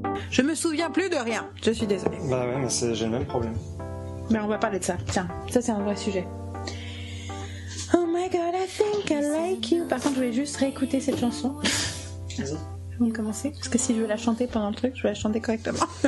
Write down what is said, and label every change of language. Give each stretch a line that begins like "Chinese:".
French: Je me souviens plus de rien. Je suis désolée. Bah ouais, mais c'est... j'ai le même problème. Mais on va parler de ça. Tiens, ça c'est un vrai sujet.
English: Oh my god, I think I like you.
French: Par contre, je voulais juste réécouter cette chanson. Vas-y. Avant de commencer. Parce que si je veux la chanter pendant le truc, je veux la chanter correctement.